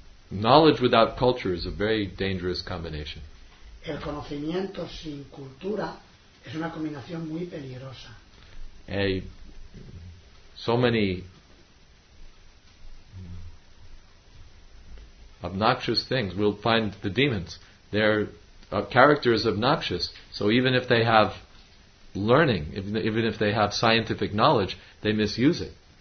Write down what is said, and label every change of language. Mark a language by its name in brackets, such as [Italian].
[English] Knowledge without culture is a very dangerous combination. [Spanish] El conocimiento sin cultura es una combinación muy peligrosa. [English] So many obnoxious things. We'll find the demons. Their character is obnoxious. So even if they have learning, even if they have scientific knowledge, they misuse it.